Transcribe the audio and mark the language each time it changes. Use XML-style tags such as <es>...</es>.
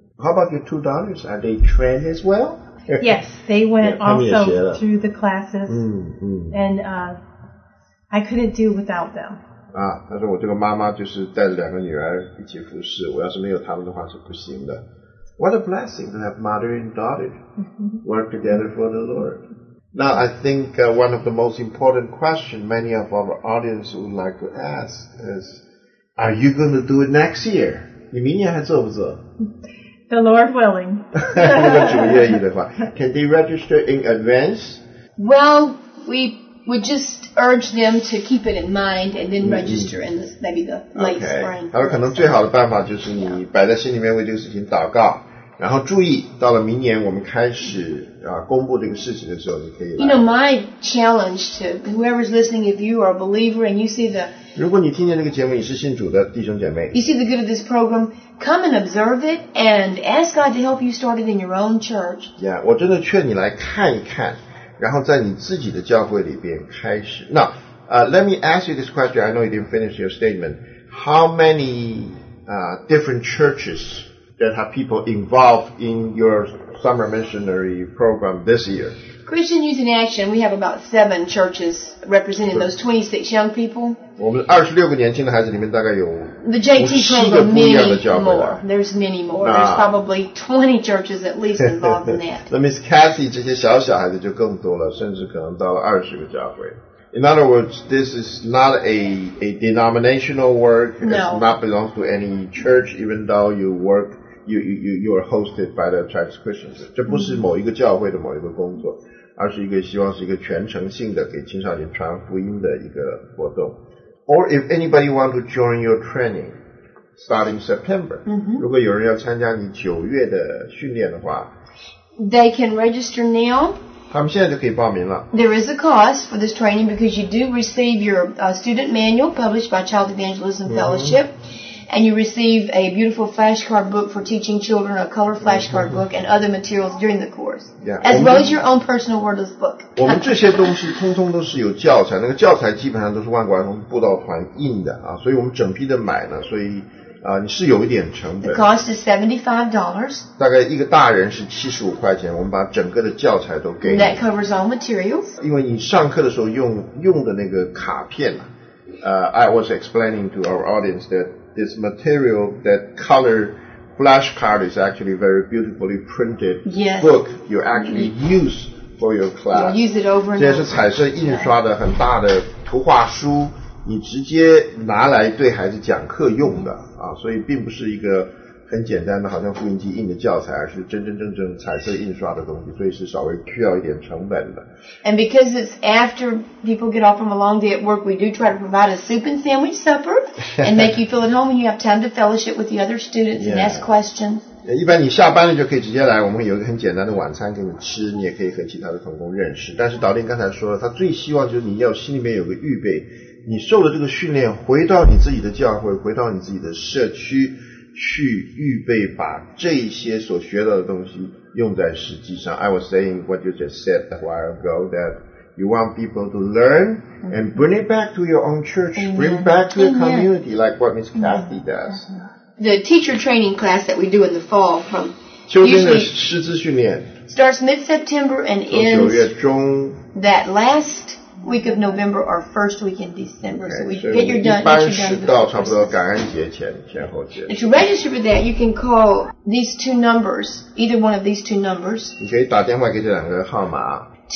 <en>How about your two daughters? Are they trained as well? Yes, they went also through the classes. And I couldn't do without them.</en> <zh>啊，他说我这个妈妈就是带着两个女儿一起服侍，我要是没有他们的话是不行的。</zh> <en>What a blessing to have mother and daughter work together for the Lord. Now I think one of the most important question many of our audience would like to ask is, are you going to do it next year?</en> <zh>你明年还做不做？</zh> <en>The Lord willing.</en> <zh>如果主愿意的话。</zh> <en>Can they register in advance? Well, we... We just urge them to keep it in mind and then register in this, maybe the late spring.</en> <zh>他说可能最好的办法就是你摆在心里面为这个事情祷告，然后注意到了明年我们开始公布这个事情的时候，你可以。</zh> <en>You know, my challenge to whoever's listening, if you are a believer and you see the.</en> <zh>如果你听见这个节目，你是信主的弟兄姐妹。</zh> <en>You see the good of this program, come and observe it and ask God to help you start it in your own church.</en> <zh>Yeah, 我真的劝你来看一看。然后在你自己的教会里边开始。</zh> <en>那let me ask you this question. I know you didn't finish your statement. How many different churches that have people involved in your summer missionary program this year? Christian Youth in Action, we have about 7 churches representing those 26 young people.</en> <zh>我们26个年轻的孩子里面大概有</zh> <en>The JT program, many more. There's probably 20 churches at least involved in that.</en> <zh>Miss Kathy, 这些小小孩子就更多了，甚至可能到了20个教会。</zh> <en>In other words, this is not a denominational work. No. It not belongs to any church, even though you work, you are hosted by the Chinese Christians.</en> <zh>这不是某一个教会的某一个工作，而是一个希望是一个全程性的给青少年传福音的一个活动。</zh> <en>Or if anybody want to join your training starting September,</en> <zh>如果有人要参加你九月的训练的话</zh> <en>they can register now.</en> <zh>他们现在就可以报名了。</zh> <en>There is a cost for this training because you do receive your student manual published by Child Evangelism Fellowship, and you receive a beautiful flashcard book for teaching children, a color flashcard book, and other materials during the course, as well as your own personal wordless book.</en> <zh>我们这些东西通通都是有教材，那个教材基本上都是万国儿童布道团印的啊，所以我们整批的买呢，所以你是有一点成本。</zh> <en>The cost is $75.</en> <zh>大概一个大人是75块钱，我们把整个的教材都给你。</zh> <en>That covers all materials.</en> <zh>因为你上课的时候用的那个卡片啊。</zh> <en>I was explaining to our audience that this material, that color flashcard is actually very beautifully printed、 yes. book you actually use for your class. You use it over and</en> <zh>over. 这是彩色印刷的很大的图画书、yeah. 你直接拿来对孩子讲课用的、啊、所以并不是一个很简单的好像复印机印的教材，而是真真正正彩色印刷的东西，所以是稍微需要一点成本的。</zh> <en>And because it's after people get off from a long day at work, we do try to provide a soup and sandwich supper and make you feel at home, and you have time to fellowship with the other students、 yeah. and ask questions.</en> <zh>一般你下班了就可以直接来，我们有一个很简单的晚餐给你吃，你也可以和其他的同工认识。但是导令刚才说了，他最希望就是你要心里面有个预备，你受了这个训练，回到你自己的教会，回到你自己的社区。去预备把这些所学到的东西用在实际上。</zh> <en>I was saying what you just said a while ago, that you want people to learn and bring it back to your own church,、 Amen. Bring back to the、 Amen. Community, like what Miss Kathy does. The teacher training class that we do in the fall from</en> <zh>秋天的师资训练</zh> <en>starts mid-September and ends that last week of November or first week in December. Okay, so we get your done, get you done.</en> <zh>到差不多感恩节前前后节。</zh> <en>If you register for that, you can call these two numbers, either one of these two numbers.</en> <zh>你可以打电话给这两个号码。</zh>